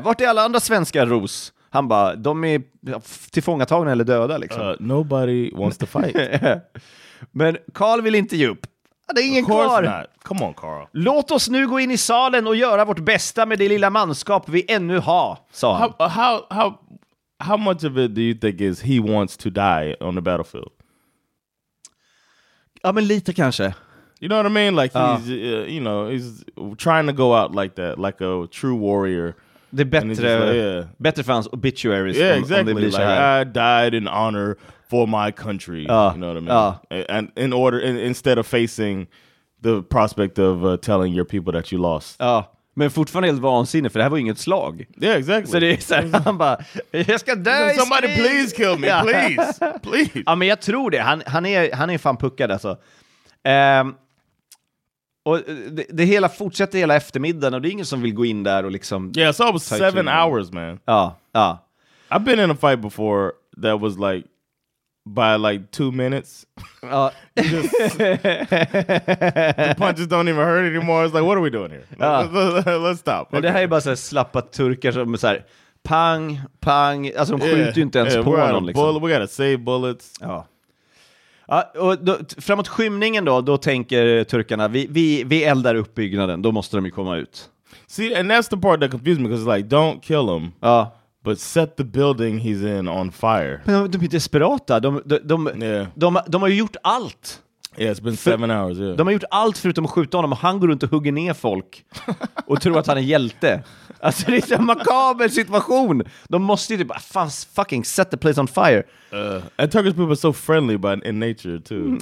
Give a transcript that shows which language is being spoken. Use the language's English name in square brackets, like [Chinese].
[Swedish] Vart är alla andra svenska, Ros? Han bara, de är tillfångatagna eller döda liksom. [English] Nobody wants to fight. [Swedish] Men Carl vill inte ge upp. Det är ingen kvar. [English] Come on, Carl. [Swedish] Låt oss nu gå in i salen och göra vårt bästa med det lilla manskap vi ännu har, sa han. [English] How much of it do you think is he wants to die on the battlefield? [Swedish] Ja, men lite kanske. [English] You know what I mean? Like he's, you know, he's trying to go out like that, like a true warrior. [Swedish] Det är bättre, like, bättre för hans [English] obituaries. Yeah, exactly. [Swedish] Om det blir [English] like, I died in honor for my country. You know what I mean? And in order, instead of facing the prospect of telling your people that you lost. [Swedish] Men fortfarande helt vansinne, för det här var inget slag. [English] Yeah, exactly. [Swedish] Så det är så här, han bara, jag ska dö. [English] Somebody please kill me, please. [Swedish] Ja, men jag tror det. Han är fan puckad alltså. Och det hela fortsätter hela eftermiddagen och det är ingen som vill gå in där och liksom. [English] Yeah, so it was 7 hours, man. [Swedish] Ja. [English] I've been in a fight before that was like by like 2 minutes. The punches don't even hurt anymore. It's like what are we doing here? Let's stop. Okay. [Swedish] Det här är bara så slappa turkar som så här pang pang, alltså de skjuter ju inte ens på någon liksom. [English] We gotta save bullets. [Swedish] Ja. Och då, framåt skymningen då tänker turkarna vi eldar upp byggnaden, då måste de ju komma ut. [English] See, and that's the part that confused me, because like don't kill him. [Swedish] Ja. [English] But set the building he's in on fire. [Swedish] Men de är desperata. De har ju gjort allt. [English] Yeah, it's been 7 hours, yeah. [Swedish] De har gjort allt förutom att skjuta honom, och han går runt och hugger ner folk och tror att han är hjälte. Alltså det är en makaber situation. De måste ju typ [English] fucking set the place on fire. And Turkish people are so friendly by in nature too.